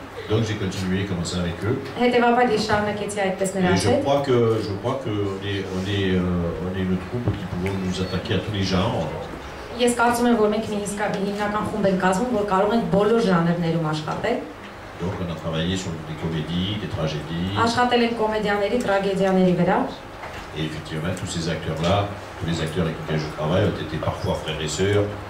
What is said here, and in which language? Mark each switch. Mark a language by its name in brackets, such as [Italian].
[French] Donc j'ai continué, commencé avec eux. Et tu vas pas des charmes qui tient avec personne. Et je crois que on est une troupe qui pouvons nous attaquer à tous les genres. [Armenian] Ես կարծում եմ, որ մենք մի հիմնական խումբ ենք կազմում, որ կարող ենք բոլոր ժանրներում աշխատել. [French] Donc on a travaillé sur des comédies, des tragédies. [Armenian] Աշխատել ենք կոմեդիաների, տրագեդիաների վրա. [French] Et effectivement, tous ces acteurs-là, tous les acteurs avec lesquels je travaille ont été parfois frères et sœurs.